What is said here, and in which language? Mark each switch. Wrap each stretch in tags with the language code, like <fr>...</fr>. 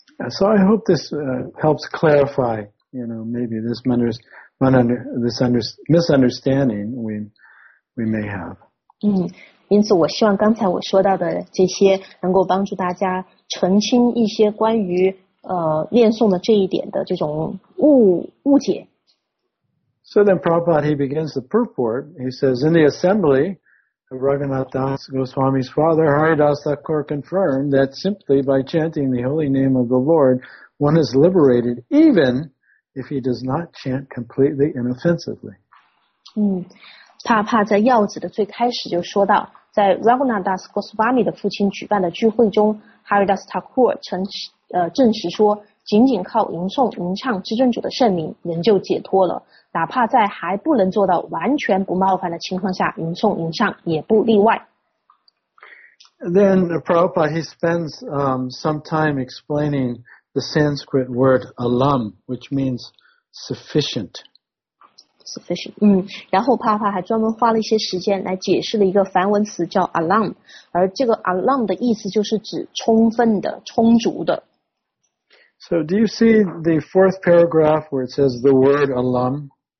<en>So I hope this helps clarify, you know, maybe this misunderstanding we may have.</en> <zh>因此我希望刚才我说到的这些能够帮助大家澄清一些关于念诵的这一点的这种误解。</zh> <en>So then Prabhupada, he begins the purport. He says, in the assembly, Raghunath Das Goswami's father, Haridas Thakur, confirmed that simply by chanting the holy name of the Lord, one is liberated, even if he does not chant completely and offensively.</en> <zh>帕在要旨的最开始就说到，在 Raghunath Das Goswami 的父亲举办的聚会中， Haridas Thakur 证实说，仅仅靠吟诵吟唱至尊主的圣名，人就解脱了。哪怕在还不能做到完全不冒犯的情况下吟诵吟唱，也不例外。</zh> <en>Then Prabhupada, he spends some time explaining the Sanskrit word alam, which means sufficient. Sufficient.</en> <zh>然后帕帕还专门花了一些时间来解释了一个梵文词叫 alam, 而这个 alam 的意思就是指充分的、充足的。</zh> <en>So do you see the fourth paragraph where it says the word alam?</en>